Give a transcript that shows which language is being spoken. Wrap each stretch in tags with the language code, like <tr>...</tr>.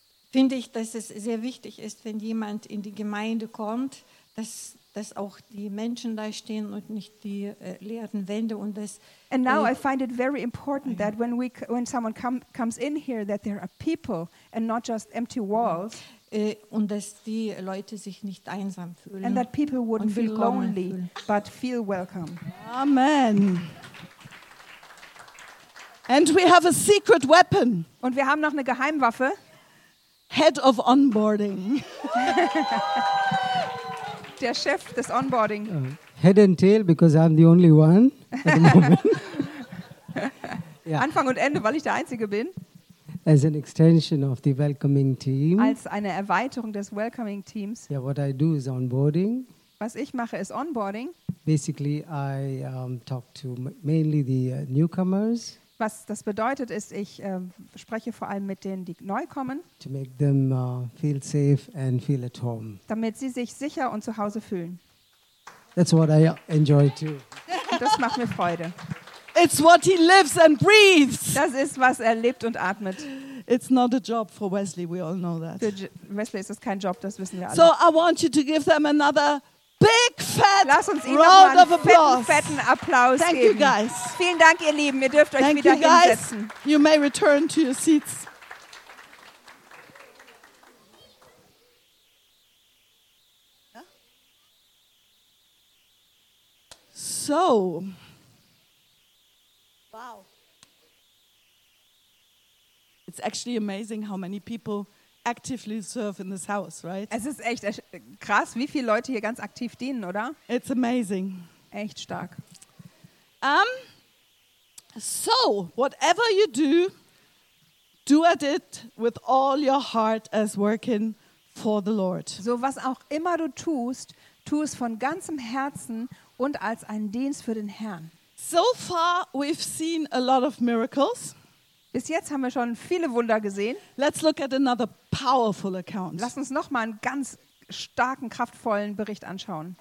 <de>Finde ich, dass es sehr wichtig ist, wenn jemand in die Gemeinde kommt, dass auch die Menschen da stehen und nicht die leeren Wände und das.</de> <en>And now I find it very important that when someone comes in here, that there are people and not just empty walls.</en> <de>Und dass die Leute sich nicht einsam fühlen.</de> <en>And that people wouldn't feel lonely, but feel welcome. Amen. And we have a secret weapon.</en> <de>Und wir haben noch eine Geheimwaffe.</de> <en>Head of onboarding.</en> <de>Der Chef des Onboarding.</de> <en>Head and tail, because I'm the only one at the moment.</en> <de>Anfang und Ende, weil ich der Einzige bin.</de> <en>As an extension of the welcoming team.</en> <de>Als eine Erweiterung des Welcoming Teams.</de> <en>Yeah, what I do is onboarding.</en> <de>Was ich mache ist Onboarding.</de> <en>Basically, I talk to mainly the newcomers.</en> <de>Was das bedeutet ist, ich spreche vor allem mit denen, die neu kommen.</de> <en>To make them feel safe and feel at home.</en> <de>Damit sie sich sicher und zu Hause fühlen.</de> <en>That's what I enjoy too.</en> <de>Das macht mir Freude.</de> <en>It's what he lives and breathes.</en> <de>Das ist, was er lebt und atmet.</de> <en>It's not a job for Wesley. We all know that.</en> <de>Wesley ist es kein Job, das wissen wir alle.</de> <en>So I want you to give them another big fat</en> <de>Lass uns ihnen</de> <en>round</en> <de>noch mal</de> <en>of applause.</en> <de>Fetten Applaus</de> <en>Thank</en> <de>geben.</de> <en>You guys.</en> <de>Vielen Dank, ihr Lieben. Ihr dürft euch</de> <en>Thank</en> <de>wieder</de> <en>you guys.</en> <de>Hinsetzen.</de> <en>You may return to your seats. So, wow, it's actually amazing how many people actively serve in this house, right?</en> <de>Es ist echt krass, wie viele Leute hier ganz aktiv dienen, oder?</de> <en>It's amazing.</en> <de>Echt stark.</de> <en>So, whatever you do, do at it with all your heart as working for the Lord.</en> <de>So, was auch immer du tust, tu es von ganzem Herzen und als einen Dienst für den Herrn.</de> <en>So far we've seen a lot of miracles.</en> <de>Bis jetzt haben wir schon viele Wunder gesehen.</de> <en>Let's look at another powerful account.</en> <de>Lass uns noch mal einen ganz starken, kraftvollen Bericht anschauen.</de>